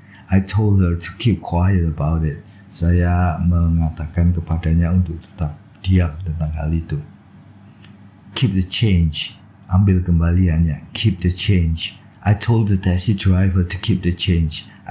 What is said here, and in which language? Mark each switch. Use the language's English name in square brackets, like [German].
[English] I told her to keep quiet about it. [Indonesian] Saya mengatakan kepadanya untuk tetap diam tentang hal itu. [English] Keep the change. [Indonesian] Ambil kembaliannya. [English] Keep the change. I told the taxi driver to keep the change.